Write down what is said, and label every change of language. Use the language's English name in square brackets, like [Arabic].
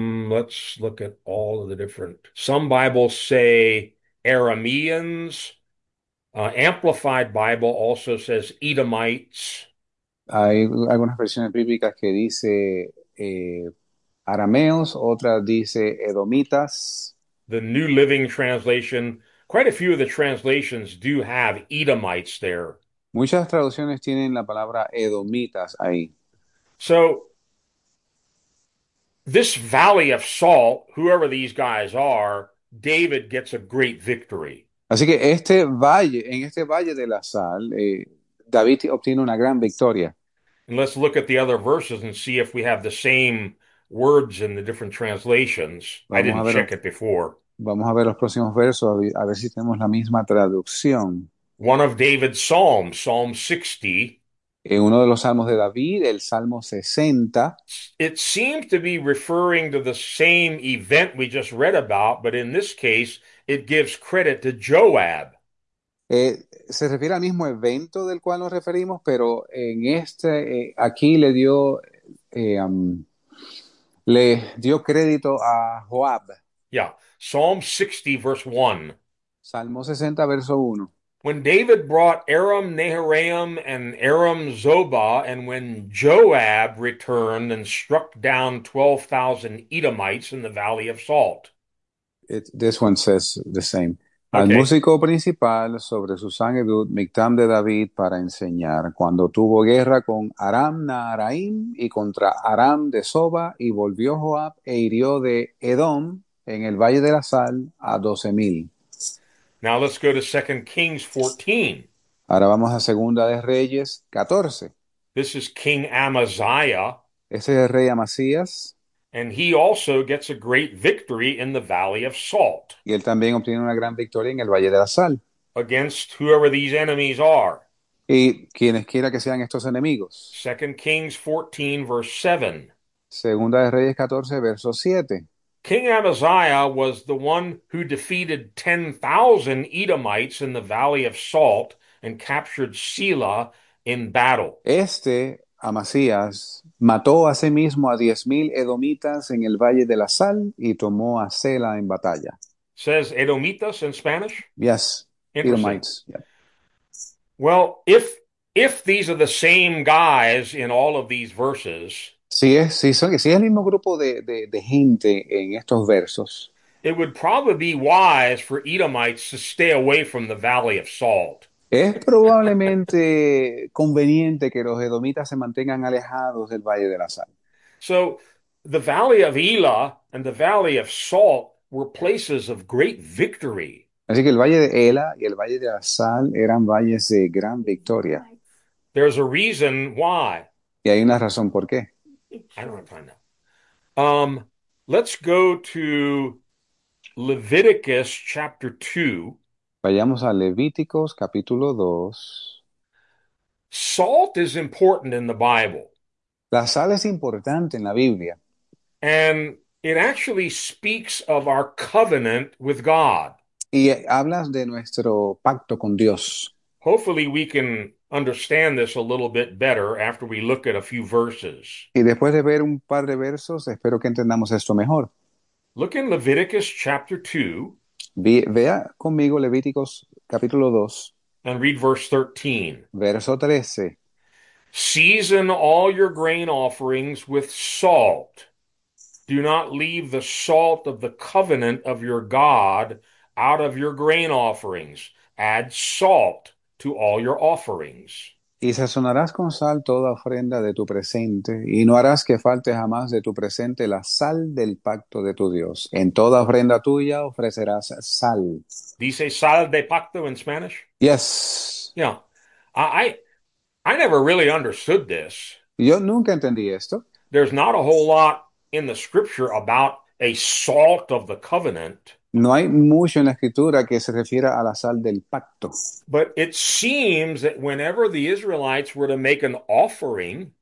[English] Let's look at all of the different. Some Bibles say Arameans. Amplified Bible also says Edomites. [Spanish] Hay algunas versiones bíblicas que dice arameos, otras dice edomitas. [English] The New Living Translation. Quite a few of the translations do have Edomites there. [Spanish] Muchas traducciones tienen la palabra edomitas ahí. [English] So, this Valley of Salt, whoever these guys are, David gets a great victory. [Spanish] Así que este valle, en este valle de la sal, David obtiene una gran victoria. [English] And let's look at the other verses and see if we have the same words in the different translations. I didn't check it before. [Spanish] Vamos a ver los próximos versos, a ver si tenemos la misma traducción. [English] One of David's Psalms, Psalm 60. [Spanish] En uno de los salmos de David, el Salmo 60. [English] It seems to be referring to the same event we just read about, but in this case, it gives credit to Joab. [Spanish] Se refiere al mismo evento del cual nos referimos, pero en este, aquí le dio, le dio crédito a Joab. [English] Yeah, Psalm 60, verse 1. [Spanish] Salmo 60, verso 1. [English] When David brought Aram Naharaim and Aram Zobah, and when Joab returned and struck down 12,000 Edomites in the Valley of Salt. This one says the same. Al Okay. [Spanish] músico principal sobre su sangre, Mictam de David, para enseñar, cuando tuvo guerra con Aram Naharaim y contra Aram de Soba, y volvió Joab e hirió de Edom en el Valle de la Sal a 12.000. [English] Now let's go to 2 Kings 14. [Spanish] Ahora vamos a Segunda de Reyes 14. [English] This is King Amaziah, [Spanish] Ese es el rey Amasías. [English] and he also gets a great victory in the Valley of Salt [Spanish] Y él también obtiene una gran victoria en el Valle de la Sal. [English] against whoever these enemies are. [Spanish] Y quienes quiera que sean estos enemigos. [English] 2 Kings 14, verse 7. [Spanish] Segunda de Reyes 14, verso 7. [English] King Amaziah was the one who defeated 10,000 Edomites in the Valley of Salt and captured Selah in battle. [Spanish] Este, Amasías, mató a sí mismo a 10.000 edomitas en el Valle de la Sal y tomó a Sela en batalla. [English] Says Edomitas in Spanish. Yes, Interesting. Edomites. Yep. Well, if these are the same guys in all of these verses, [Spanish] Sí es el mismo grupo de gente en estos versos. [English] it would probably be wise for Edomites to stay away from the Valley of Salt. [Spanish] Es probablemente conveniente que los edomitas se mantengan alejados del Valle de la Sal. [English] So, the Valley of Elah and the Valley of Salt were places of great victory. [Spanish] Así que el Valle de Ela y el Valle de la Sal eran valles de gran victoria. [English] There's a reason why. [Spanish] Y hay una razón por qué. [English] I don't have time now. Let's go to Leviticus chapter 2. [Spanish] Vayamos a Levíticos capítulo 2. [English] Salt is important in the Bible. [Spanish] La sal es importante en la Biblia. [English] And it actually speaks of our covenant with God. [Spanish] Y hablas de nuestro pacto con Dios. [English] Hopefully, we can understand this a little bit better after we look at a few verses. [Spanish] Y después de ver un par de versos, espero que entendamos esto mejor. [English] Look in Leviticus chapter 2 [Spanish] Vea conmigo Levíticos capítulo 2, [English] and read verse 13. [Spanish] verso 13. [English] Season all your grain offerings with salt. Do not leave the salt of the covenant of your God out of your grain offerings. Add salt to all your offerings. [Spanish] Y sazonarás con sal toda ofrenda de tu presente, y no harás que falte jamás de tu presente la sal del pacto de tu Dios. En toda ofrenda tuya ofrecerás sal. Dice sal de pacto [English] in Spanish? Yes. Yeah. I never really understood this. [Spanish] Yo nunca entendí esto. [English] There's not a whole lot in the scripture about a salt of the covenant. [Spanish] No hay mucho en la escritura que se refiera a la sal del pacto. [English] But it seems that whenever the Israelites were to make an offering,